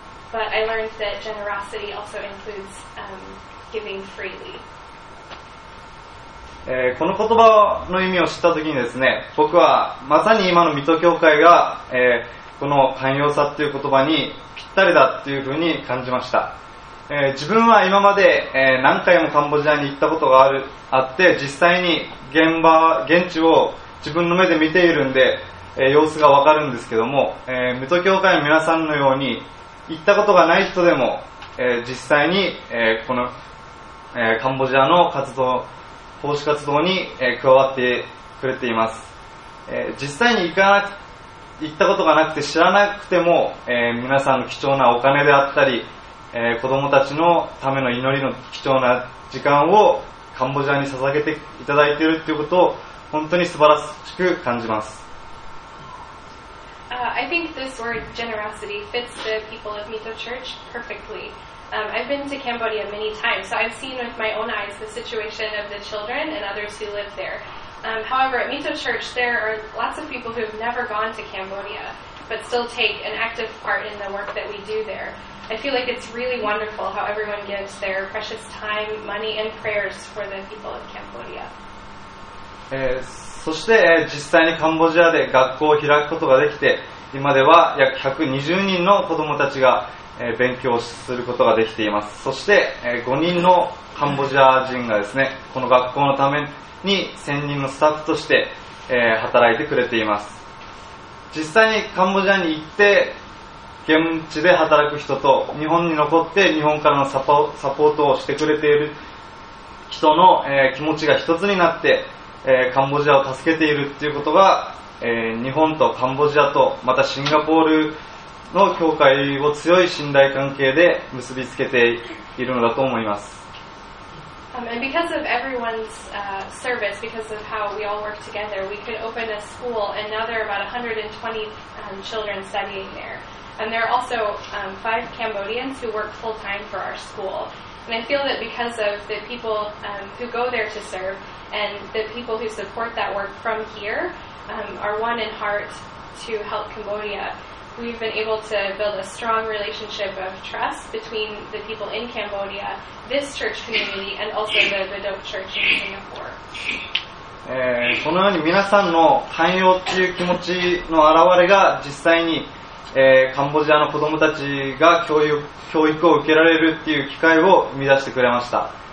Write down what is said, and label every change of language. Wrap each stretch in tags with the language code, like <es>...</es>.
<en>But I learned that generosity also includes, giving freely.</en> <ja>この言葉の意味を知ったときにですね、僕はまさに今の水戸教会が、この寛容さっていう言葉にぴったりだっていうふうに感じました。自分は今まで、何回もカンボジアに行ったことがあって実際に現地を自分の目で見ているんで、様子がわかるんですけども、水戸教会の皆さんのように行ったことがない人でも、実際に、この、カンボジアの活動、奉仕活動に、加わってくれています。実際に行ったことがなくて知らなくても、皆さんの貴重なお金であったり、子どもたちのための祈りの貴重な時間をカンボジアに捧げていただいているということを本当に素晴らしく感じます。</ja> <en>I think this word generosity fits the people of Mito Church perfectly. I've been to Cambodia many times, so I've seen with my own eyes the situation of the children and others who live there. However, at Mito Church, there are lots of people who have never gone to Cambodia, but still take an active part in the work that we do there. I feel like it's really wonderful how everyone gives their precious time, money, and prayers for the people of Cambodia.</en> <ja>そして、実際にカンボジアで学校を開くことができて、今では約120人の子どもたちが、勉強することができています。そして、5人のカンボジア人がですね、この学校のために専任のスタッフとして、働いてくれています。実際にカンボジアに行って現地で働く人と、日本に残って日本からのサポートをしてくれている人の、気持ちが一つになって、カンボジアを助けているっていうことが、日本とカンボジアとまたシンガポールの教会を強い信頼関係で結びつけているのだと思います。</ja> <en>And because of everyone's service, because of how we all work together, we could open a school, and now there are about 120 children studying there. And there are also five Cambodians who work full time for our school. And I feel that because of the people who go there to serve. And the people who support that work from here are one in heart to help Cambodia. We've been able to build a strong relationship of trust between the people in Cambodia, this church community, and also the Bedok Church in Singapore.</en> <ja>このように皆さんの寛容っていう気持ちの表れが実際に、カンボジアの子どもたちが教育を受けられるっていう機会を生み出してくれました。</ja>